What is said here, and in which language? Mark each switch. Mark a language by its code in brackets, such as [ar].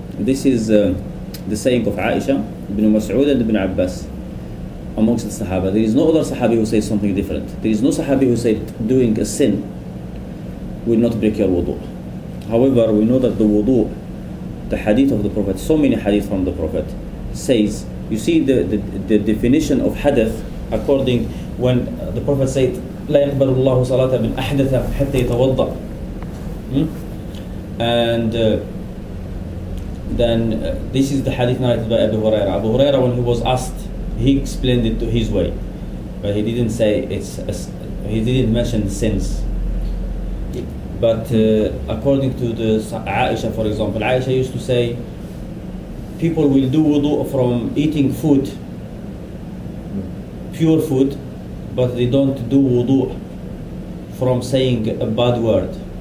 [en] This is the saying of Aisha, Ibn Mas'ud, and Ibn Abbas amongst the Sahaba. There is no other Sahabi who says something different. There is no Sahabi who said doing a sin will not break your wudu. However, we know that the wudu, the hadith of the Prophet, so many hadith from the Prophet, says, you see the definition of hadith. According, when the Prophet said, [ar] لا يقبل الله صلاة من أحدث حتى يتوضأ. And [en] then this is the hadith narrated by Abu Huraira. Abu Huraira, when he was asked, he explained it to his way, but he didn't say it's he didn't mention sins. But according to the Aisha, for example, Aisha used to say, people will do wudu from eating food, pure food, but they don't do wudu from saying a bad word.